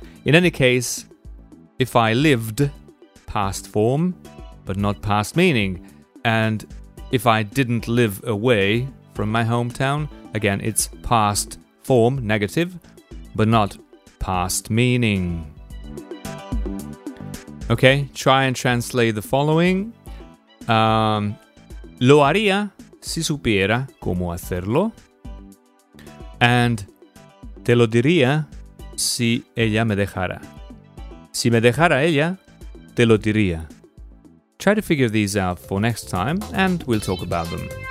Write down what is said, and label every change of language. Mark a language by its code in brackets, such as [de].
[en] In any case, if I lived, past form, but not past meaning. And if I didn't live away from my hometown, again, it's past form, negative, but not past meaning. Okay, try and translate the following. [es] Lo haría si supiera cómo hacerlo. And te lo diría si ella me dejara. Si me dejara ella, te lo diría. [en] Try to figure these out for next time and we'll talk about them.